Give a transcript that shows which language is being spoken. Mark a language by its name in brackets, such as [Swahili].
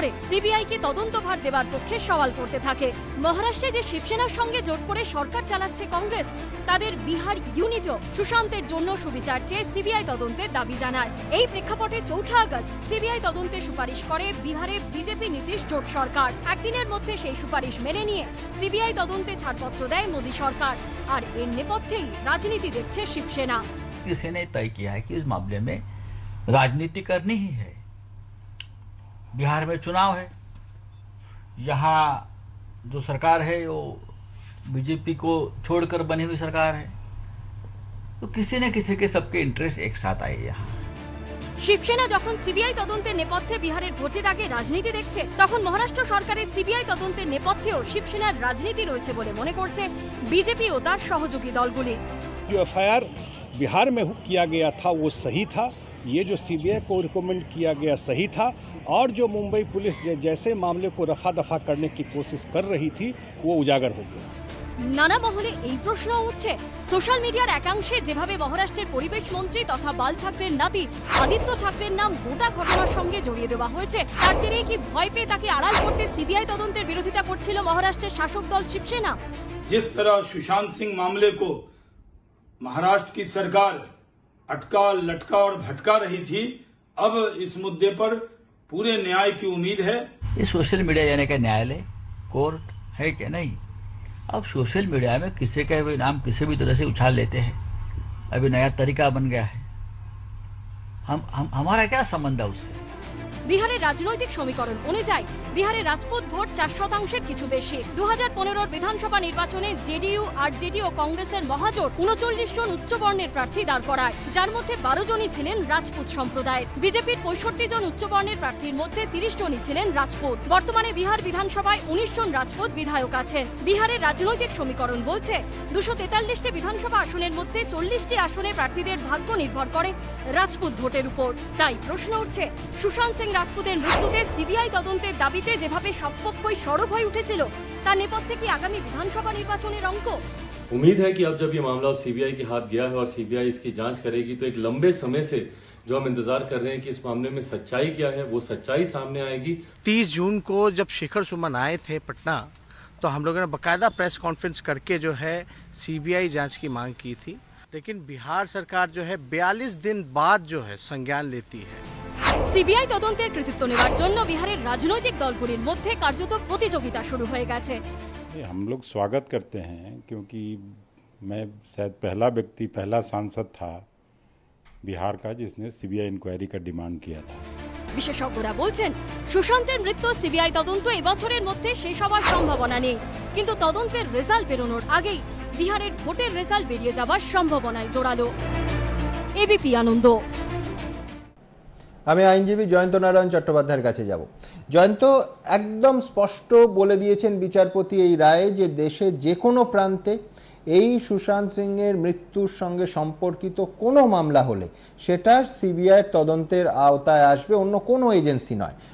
[Bangla] CBI কে তদন্তভার দেওয়ার পক্ষে সওয়াল করতে থাকে। মহারাষ্ট্রে যে শিবসেনার সঙ্গে জোট করে সরকার চালাচ্ছে কংগ্রেস, তাদের বিহার ইউনিটও সুশান্তের জন্য সুবিচার চেয়ে সিবিআই তদন্তের দাবি জানায়। এই প্রেক্ষাপটে 4 আগস্ট সিবিআই তদন্তে সুপারিশ করে বিহারে বিজেপি নীতিশ জোট সরকার। একদিনের মধ্যে সেই সুপারিশ মেনে নিয়ে সিবিআই তদন্তে ছাড়পত্র দেয় মোদী সরকার, আর এর নেপথ্যেই রাজনীতি দেখছে শিবসেনা। [Hindi] রাজনীতি করনি হি হ্যায়, बिहार में चुनाव है, यहाँ जो सरकार है वो बीजेपी को छोड़कर बनी हुई सरकार है, तो किसी न किसी के सबके इंटरेस्ट एक साथ आए यहाँ। [Bangla] শিবসেনা যখন সিবিআই তদন্তের নেপথ্যে বিহারের ভোটের আগে রাজনীতি দেখছে, তখন মহারাষ্ট্র সরকারের সিবিআই তদন্তের নেপথ্যেও শিবসেনার রাজনীতি রয়েছে বলে মনে করছে বিজেপি ও তার সহযোগী দলগুলি। [Hindi] যে এফআইআর বিহার মে কিয়া গিয়া থা ও সহি থা, ये जो सीबीआई को रिकमेंड किया गया सही था, और जो मुंबई पुलिस जैसे मामले को रफा दफा करने की कोशिश कर रही थी वो उजागर हो गया। [Bangla] নানা মহলে এই প্রশ্ন উঠছে, সোশ্যাল মিডিয়ার একাংশে যেভাবে মহারাষ্ট্রের পরিবেশ মন্ত্রী তথা বাল ঠাকরের নাতি আদিত্য ঠাকরের নাম গোটা ঘটনার সঙ্গে জড়িয়ে দেওয়া হয়েছে, তার জেরে কি ভয় পেয়ে তাকে আড়াল করতে সিবিআই তদন্তের বিরোধিতা করছিল মহারাষ্ট্রের শাসক দল শিবসেনা? [Hindi] जिस तरह सुशांत सिंह मामले को महाराष्ट्र की सरकार अटका लटका और भटका रही थी, अब इस मुद्दे पर पूरे न्याय की उम्मीद है। ये सोशल मीडिया जाने का न्यायालय कोर्ट है क्या? नहीं, अब सोशल मीडिया में किसी का भी नाम किसी भी तरह से उछाल लेते हैं, अभी नया तरीका बन गया है। हमारा क्या संबंध है उससे? [Bangla] বিহারের রাজনৈতিক সমীকরণ অনুযায়ী বিহারের রাজপুত ভোট 4% কিছু বেশি। 2015 বিধানসভা নির্বাচনে জেডিইউ আর জেডিও কংগ্রেসের মহাজোট 39 জন উচ্চ বর্ণের প্রার্থী দাঁড় করায়, যার মধ্যে 12 জনই ছিলেন রাজপুত সম্প্রদায়ের। বিজেপির 65 জন উচ্চ বর্ণের প্রার্থীর মধ্যে 30 জনই ছিলেন রাজপুত। বর্তমানে বিহার বিধানসভায় 19 জন রাজপুত বিধায়ক আছেন। বিহারের রাজনৈতিক সমীকরণ বলছে 243টি বিধানসভা আসনের মধ্যে 40টি আসনে প্রার্থীদের ভাগ্য নির্ভর করে রাজপুত ভোটের উপর। তাই প্রশ্ন উঠছে সুশান্ত সিং রাজপুতের মৃত্যুতে সিবিআই তদন্তের দাবিতে যেভাবে সবপক্ষই সরব হয়ে উঠেছিল, তার নেপথ্যে কি আগামী বিধানসভা নির্বাচনের অঙ্ক? [Hindi] উম্মীদ হ্যায় কি আব জব ইয়ে মামলা সিবিআই কে হাত গিয়া হ্যায় অর সিবিআই ইসকি যাঞ্চ করেগি তো এক লম্বে সময় সে जो हम इंतजार कर रहे हैं कि इस मामले में सच्चाई क्या है, वो सच्चाई सामने आएगी। 30 जून को जब शिखर सुमन आए थे पटना, तो हम लोगों ने बकायदा प्रेस कॉन्फ्रेंस करके जो है सीबीआई जांच की मांग की थी, लेकिन बिहार सरकार जो है 42 दिन बाद जो है संज्ञान लेती है। [Bangla] সিবিআই তদন্তের কৃতিত্ব নেওয়ার জন্য বিহারের রাজনৈতিক দলগুলির মধ্যে কার্যত প্রতিযোগিতা শুরু হয়ে গেছে। [Hindi] हम लोग स्वागत करते हैं, क्योंकि मैं शायद पहला व्यक्ति पहला सांसद था बिहार का जिसने सीबीआई इंक्वायरी का डिमांड किया था। [Bangla] বিশেষজ্ঞরা বলছেন সুশান্তের মৃত্যু সিবিআই তদন্ত এবছরের মধ্যে শেষ হওয়ার সম্ভাবনা নেই, কিন্তু তদন্তের রেজাল্ট বেরোনোর আগেই বিহারের ভোটের রেজাল্ট বেরিয়ে যাওয়ার সম্ভাবনায় জোরালো। এবিপি আনন্দ। আমি আইনজীবী জয়ন্ত নারায়ণ চট্টোপাধ্যায়ের কাছে যাব। জয়ন্ত, একদম স্পষ্ট বলে দিয়েছেন বিচারপতি এই রায়ে যে দেশের যে কোনো প্রান্তে এই সুশান্ত সিং এর মৃত্যুর সঙ্গে সম্পর্কিত কোনো মামলা হলে সেটা সিবিআই তদন্তের আওতায় আসবে, অন্য কোনো এজেন্সি নয়।